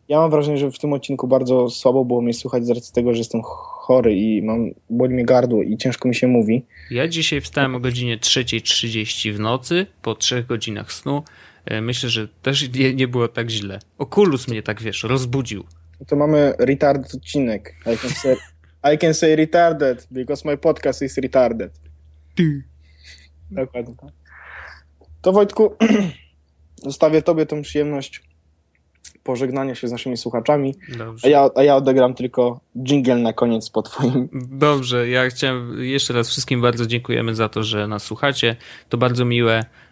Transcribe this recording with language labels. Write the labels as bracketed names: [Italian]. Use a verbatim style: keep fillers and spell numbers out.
[Polish] Ja mam wrażenie, że w tym odcinku bardzo słabo było mnie słuchać z racji tego, że jestem chory i mam, boli mnie gardło i ciężko mi się mówi. Ja dzisiaj wstałem o godzinie trzecia trzydzieści w nocy, po trzech godzinach snu. Myślę, że też nie, nie było tak źle. Oculus mnie tak, wiesz, rozbudził. To mamy retard odcinek. Jak [English] I can say retarded, because my podcast is retarded. [Polish] Ty. Dokładnie. To Wojtku, zostawię tobie tą przyjemność pożegnania się z naszymi słuchaczami. Dobrze. A ja, a ja odegram tylko dżingiel na koniec po twoim. Dobrze, ja chciałem jeszcze raz wszystkim bardzo dziękujemy za to, że nas słuchacie. To bardzo miłe.